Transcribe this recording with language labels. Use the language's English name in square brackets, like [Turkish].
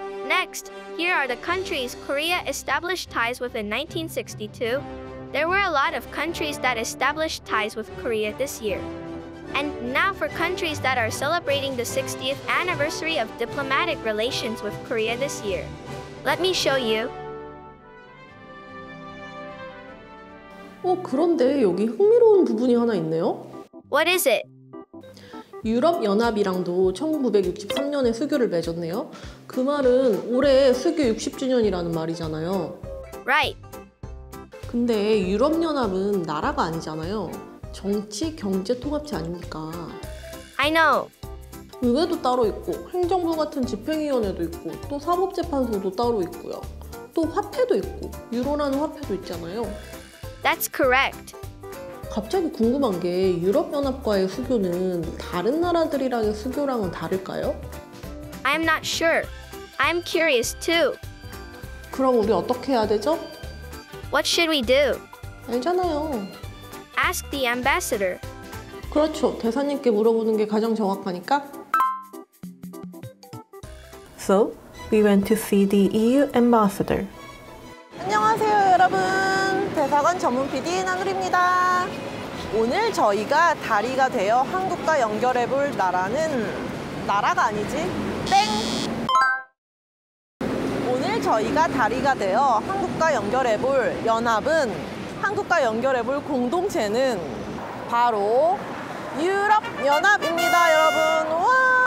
[English] Next, here are the countries Korea established ties with in 1962. There were a lot of countries that established ties with Korea this year. And now for countries that are celebrating the 60th anniversary of diplomatic relations with Korea this year. Let me show you. [Korean] 어, 그런데 여기 흥미로운 부분이 하나 있네요. [English] What is it? [Korean] 유럽연합이랑도 1963년에 수교를 맺었네요. 그 말은 올해 수교 60주년이라는 말이잖아요. [English] Right. [Korean] 근데 유럽연합은 나라가 아니잖아요. 정치, 경제 통합체 아닙니까? [English] I know. [Korean] 의회도 따로 있고, 행정부 같은 집행위원회도 있고, 또 사법재판소도 따로 있고요. 또 화폐도 있고, 유로라는 화폐도 있잖아요. [English] That's correct. [Korean] 갑자기 궁금한 게 유럽연합과의 수교는 다른 나라들이랑의 수교랑은 다를까요? [English] I'm not sure. I'm curious too. [Korean] 그럼 우리 어떻게 해야 되죠? [English] What should we do? [Korean] 알잖아요. [English] Ask the ambassador. [Korean] 그렇죠. 대사님께 물어보는 게 가장 정확하니까. [English] So, we went to see the EU ambassador. [Korean] 안녕하세요, 여러분. 대사관 전문 PD 나누리입니다. 오늘 저희가 다리가 되어 한국과 연결해 볼 나라는 나라가 아니지. 땡. 오늘 저희가 다리가 되어 한국과 연결해 볼 연합은 한국과 연결해 볼 공동체는 바로 유럽 연합입니다, 여러분. 와!